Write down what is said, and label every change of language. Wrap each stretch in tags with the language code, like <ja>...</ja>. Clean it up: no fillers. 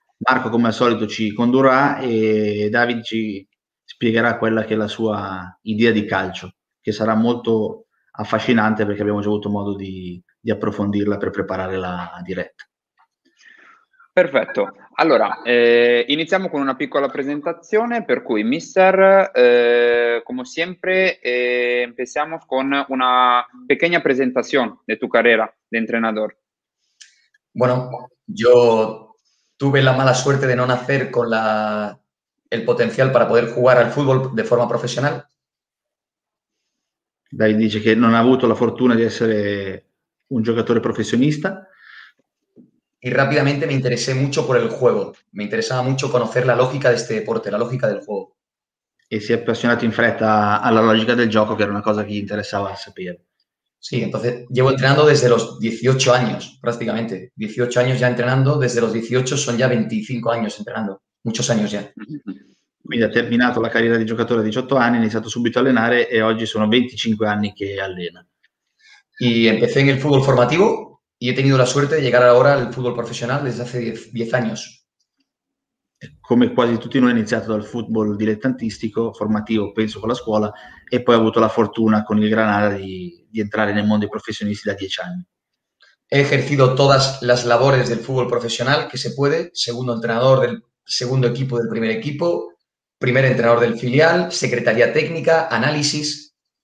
<it>Marco, come al solito, ci condurrà e David ci spiegherà quella che è la sua idea di calcio, che sarà molto affascinante perché abbiamo già avuto modo di approfondirla per preparare la diretta. Perfetto. Allora, iniziamo con una piccola presentazione, per cui mister, come sempre, iniziamo con</it> <es>una pequeña presentación de tu carrera de entrenador. Bueno, yo tuve la mala suerte de no nacer con el potencial para poder jugar al fútbol de forma profesional.</es> <it>Dai, dice che non ha avuto la fortuna di essere un giocatore professionista.</it> <es>Y rápidamente me interesé mucho por el juego. Me interesaba mucho conocer la lógica de este deporte, la lógica del juego.</es> <it>E si è appassionato in fretta alla logica del gioco, che era una cosa che gli interessava sapere.</it> <es>Sí, entonces llevo entrenando desde los 18 años, prácticamente. 18 años ya entrenando, desde los 18 son ya 25 años entrenando, muchos años ya.</es> <it>Quindi ha terminato la carriera di giocatore a 18 anni, ha iniziato subito a allenare e oggi sono 25 anni che allena.</it> <es>Y empecé en el fútbol formativo. Y he tenido la suerte de llegar ahora al fútbol profesional desde hace 10 años.</es> <it>Come quasi tutti noi, ha iniziato dal football dilettantistico, formativo, penso con la scuola, e poi ha avuto la fortuna con il Granada di entrare nel mondo dei professionisti da 10 anni.</it> <es>He ejercido todas las labores del fútbol profesional que se puede: segundo entrenador del segundo equipo del primer equipo, primer entrenador del filial, secretaría técnica, análisis.</es>